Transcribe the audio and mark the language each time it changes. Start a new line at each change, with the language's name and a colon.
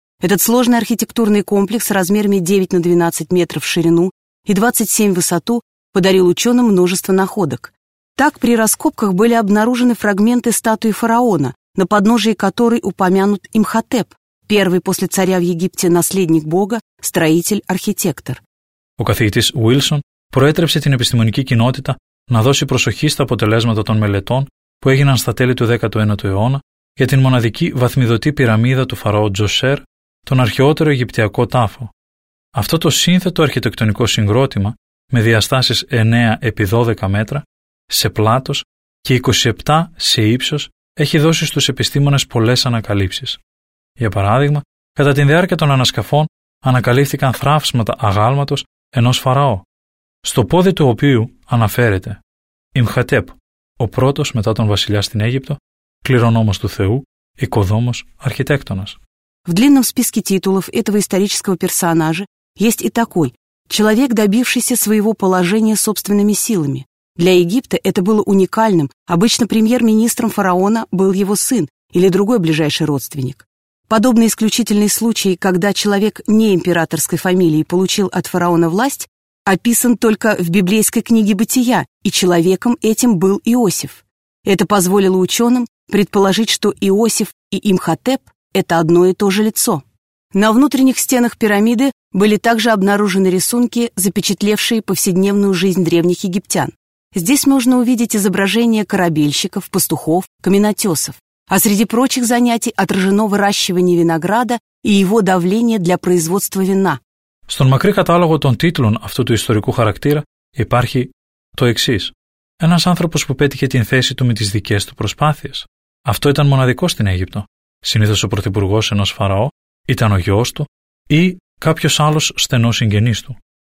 Russian: Этот сложный архитектурный комплекс размерами 9 на 12 метров в ширину и 27 в высоту подарил ученым множество находок. Так, при раскопках были обнаружены фрагменты статуи фараона, на подножии которой упомянут Имхотеп, первый после царя в Египте наследник бога, строитель-архитектор.
Greek: Ο καθηγητής Уίλσον προέτρεψε την επιστημονική κοινότητα να δώσει προσοχή στα αποτελέσματα των μελετών που έγιναν στα τέλη του 19ου αιώνα για την μοναδική βαθμιδωτή πυραμίδα του φαραώ Τζοσέρ, τον αρχαιότερο Αιγυπτιακό τάφο. Αυτό το σύνθετο αρχιτεκτονικό συγκρότημα, με διαστάσεις 9 επί 12 μέτρα, σε πλάτος και 27 σε ύψος, έχει δώσει στους επιστήμονες πολλές ανακαλύψεις. Για παράδειγμα, κατά τη διάρκεια των ανασκαφών ανακαλύφθηκαν θραύσματα αγάλματος ενός φαραώ, στο πόδι του οποίου αναφέρεται Ιμχατέπ, ο πρώτος μετά τον βασιλιά στην Αίγυπτο, κληρονόμος του Θεού, οικοδόμος, αρχιτέκτονας.
Russian: В длинном списке титулов этого исторического персонажа есть и такой – человек, добившийся своего положения собственными силами. Для Египта это было уникальным, обычно премьер-министром фараона был его сын или другой ближайший родственник. Подобный исключительный случай, когда человек не императорской фамилии получил от фараона власть, описан только в библейской книге Бытия, и человеком этим был Иосиф. Это позволило ученым предположить, что Иосиф и Имхотеп это одно и то же лицо. На внутренних стенах пирамиды были также обнаружены рисунки, запечатлевшие повседневную жизнь древних египтян. Здесь можно увидеть изображения корабельщиков, пастухов, каменотесов. А среди прочих занятий отражено выращивание винограда и его давление для производства вина.
Greek: Στον μακρύ κατάλογο των τίτλων αυτού του ιστορικού χαρακτήρα υπάρχει το εξής. Ένας άνθρωπος που πέτυχε την θέση του με τις δικές του προσπάθειες. Αυτό ήταν μοναδικό στην Αίγυπτο. Συνήθως ο πρωθυπουργός ενός φαραώ ήταν ο γιος του ή κάποιος άλλος στενός συγγενής του.